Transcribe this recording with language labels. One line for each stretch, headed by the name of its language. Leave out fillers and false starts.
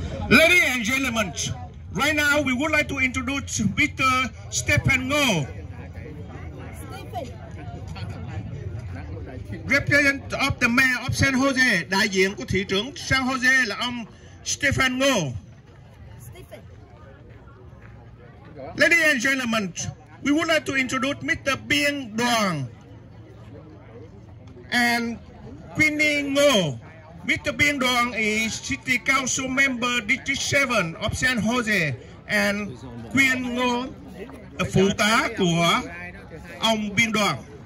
English: Ladies and gentlemen, right now we would like to introduce Mr. Stephen Ngo, representative of the mayor of San Jose.
Vietnamese: Đại diện của thị trưởng San Jose là ông Stephen Ngo.
English: Ladies and gentlemen, we would like to introduce Mr. Bien Duong and Quinny Ngo. Mr. Bien Duong is City Council Member District 7 of San Jose, and Quinny Ngo,
Vietnamese: phụ tá của ông
English: Bien Duong.